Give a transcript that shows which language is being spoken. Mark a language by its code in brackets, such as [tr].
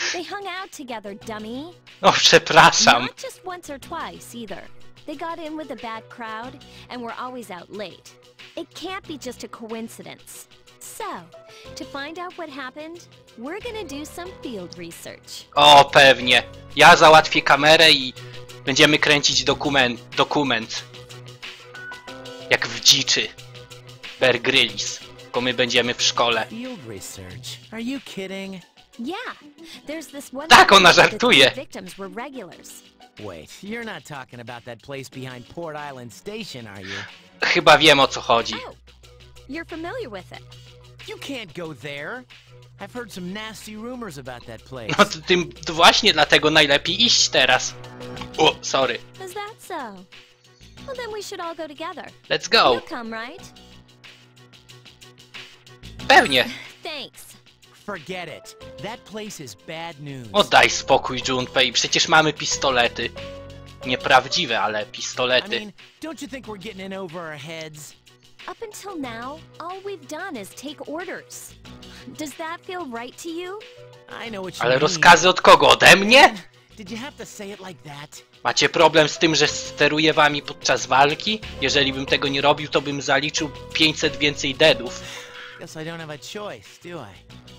[en] They hung out together, dummy. [pl] O, przepraszam. [en] Not just once or twice either. They got in with a bad crowd and were always out late. It can't be just a coincidence. So, to find out what happened, we're gonna do some field research. [pl] O, pewnie. Ja załatwię kamerę i będziemy kręcić dokument. Jak w dziczy. Bear Grylls. Bo my będziemy w szkole. [en] Field research. Are you kidding? Yeah. There's this one. [pl] Tak, ona żartuje. [en] Victims were regulars. Wait, you're not talking about that place behind Port Island Station, are you? [pl] Chyba wiem, o co chodzi. [en] You're familiar with it. You can't go there. I've heard some nasty rumors about that place. [pl] No to tym to właśnie dlatego najlepiej iść teraz. O, sorry. [en] Is that so? Well, then we should all go together. Let's go. You'll come, right? [pl] Pewnie. [en] Thanks. Forget it. That place is bad news. [pl] O, daj spokój, Junpei. Przecież mamy pistolety. Nieprawdziwe, ale pistolety. [en] I mean, don't you think we're getting in over our heads? Up until now, all we've done is take orders. Does that feel right to you? I know what you [pl] mean. Ale rozkazy od kogo? Ode mnie? [en] Did you have to say it like that? [pl] Macie problem z tym, że steruję wami podczas walki? Jeżeli bym tego nie robił, to bym zaliczył 500 więcej deadów. [en] Guess I don't have a choice, do I?